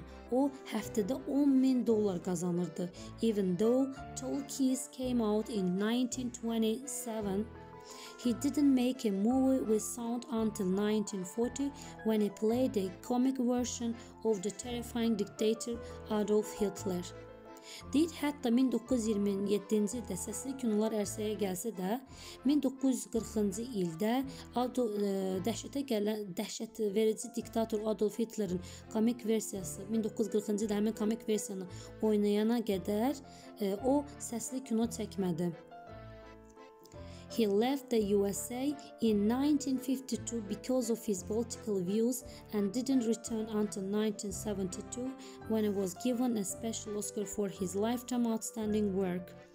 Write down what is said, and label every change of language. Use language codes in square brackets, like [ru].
[az] O həftədə 10,000 dollar qazanırdı. [en] Even though Talkies came out in 1927, he didn't make a movie with sound until 1940 when he played a comic version of the terrifying dictator Adolf Hitler. [az] Deyir, hətta 1927-ci ildə səsli kinolar ərsəyə gəlsə də, 1940-cı ildə dəhşət verici diktator Adolf Hitlerin komik versiyası, 1940-cı ildə həmin komik versiyanı oynayana qədər o səsli kino çəkmədi. [en] He left the USA in 1952 because of his political views and didn't return until 1972 when he was given a special Oscar for his lifetime outstanding work.